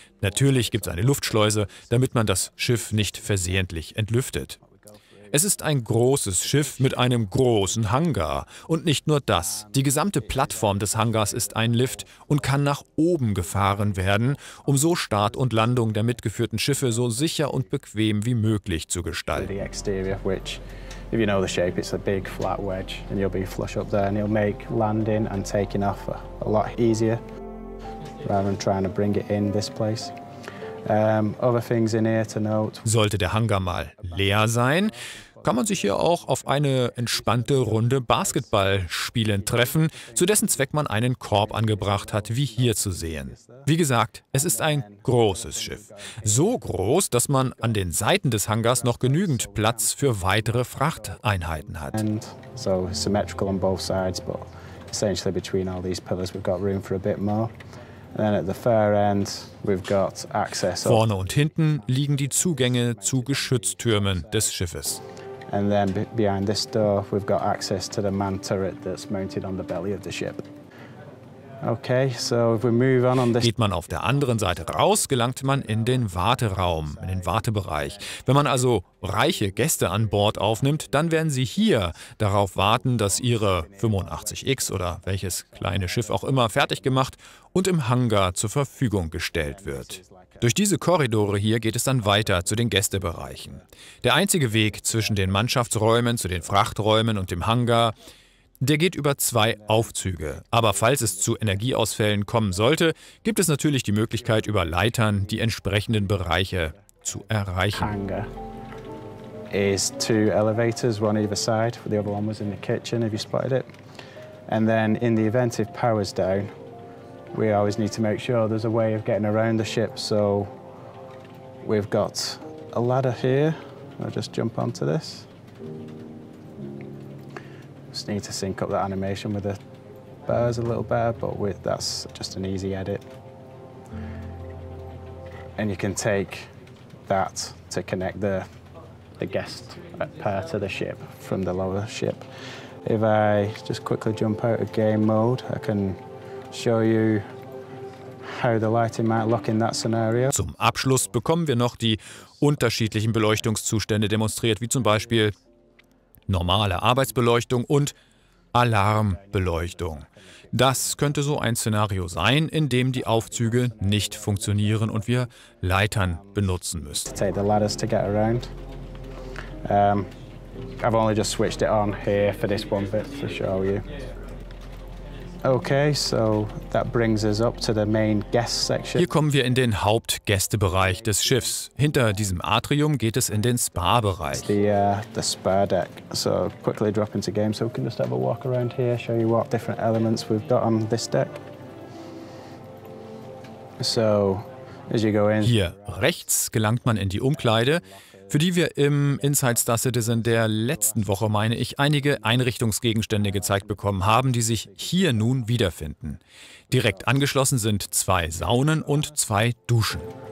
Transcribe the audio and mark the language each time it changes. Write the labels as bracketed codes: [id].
[de] Natürlich gibt es eine Luftschleuse, damit man das Schiff nicht versehentlich entlüftet. Es ist ein großes Schiff mit einem großen Hangar. Und nicht nur das. Die gesamte Plattform des Hangars ist ein Lift und kann nach oben gefahren werden, um so Start und Landung der mitgeführten Schiffe so sicher und bequem wie möglich zu gestalten. [en] The exterior, which, if you know the shape, it's a big flat wedge, and you'll be flush up there, and it'll make landing and taking off a lot easier, rather than trying to bring it in this place. Other things in here to note. [de] Sollte der Hangar mal leer sein, kann man sich hier auch auf eine entspannte Runde Basketball spielen treffen, zu dessen Zweck man einen Korb angebracht hat, wie hier zu sehen. Wie gesagt, es ist ein großes Schiff. So groß, dass man an den Seiten des Hangars noch genügend Platz für weitere Frachteinheiten hat. [en] So symmetrical on both sides, but essentially between all these pillars we've got room for a bit more. [de] Vorne und hinten liegen die Zugänge zu Geschütztürmen des Schiffes. [en] And then behind this door we've got access to the man turret that's mounted on the belly of the ship. Okay, so if we move on this. [de] Geht man auf der anderen Seite raus, gelangt man in den Warteraum, in den Wartebereich. Wenn man also reiche Gäste an Bord aufnimmt, dann werden sie hier darauf warten, dass ihre 85X oder welches kleine Schiff auch immer fertig gemacht und im Hangar zur Verfügung gestellt wird. Durch diese Korridore hier geht es dann weiter zu den Gästebereichen. Der einzige Weg zwischen den Mannschaftsräumen, zu den Frachträumen und dem Hangar, der geht über zwei Aufzüge. Aber falls es zu Energieausfällen kommen sollte, gibt es natürlich die Möglichkeit, über Leitern die entsprechenden Bereiche zu erreichen. [en] Hangar is two elevators, one either side. The other one was in the kitchen, if you spotted it. And then in the event if power's down, we always need to make sure there's a way of getting around the ship. So we've got a ladder here. I'll just jump onto this. Need to sync up that animation with the bars a little better, but that's just an easy edit. And you can take that to connect the guest pair to the ship from the lower ship. If I just quickly jump out of game mode, I can show you how the lighting might look in that scenario. [de] Zum Abschluss bekommen wir noch die unterschiedlichen Beleuchtungszustände demonstriert, wie zum Beispiel normale Arbeitsbeleuchtung und Alarmbeleuchtung. Das könnte so ein Szenario sein, in dem die Aufzüge nicht funktionieren und wir Leitern benutzen müssen. [en] Take the ladders to get around. I've only just switched it on here for this one bit to show you. Okay, so that brings us up to the main guest section. [de] Hier kommen wir in den Hauptgästebereich des Schiffs. Hinter diesem Atrium geht es in den Spa-Bereich. [en] The spa deck. So quickly drop into game so we can just have a walk around here, show you what different elements we've got on this deck. So as you go in. [de] Hier rechts gelangt man in die Umkleide, für die wir im Inside Star Citizen der letzten Woche, meine ich, einige Einrichtungsgegenstände gezeigt bekommen haben, die sich hier nun wiederfinden. Direkt angeschlossen sind zwei Saunen und zwei Duschen.